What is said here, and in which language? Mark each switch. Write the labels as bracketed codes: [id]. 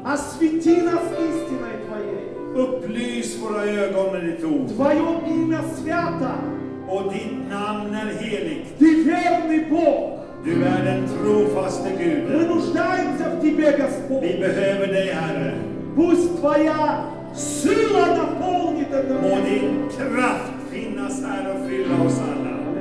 [ru] Освети нас истиной твоей. [sv] Upplys våra ögon med ditt ord. [ru] Твое имя свято. [sv] Och ditt namn är heligt. [ru] Ты верный Бог. [sv] Du är den trofaste Gud. [ru] Мы нуждаемся в тебе, Господь. [sv] Vi behöver dig, Herre. [ru] Пусть твоя сила наполнит это место. [sv] Må din kraft finnas här och fylla oss alla.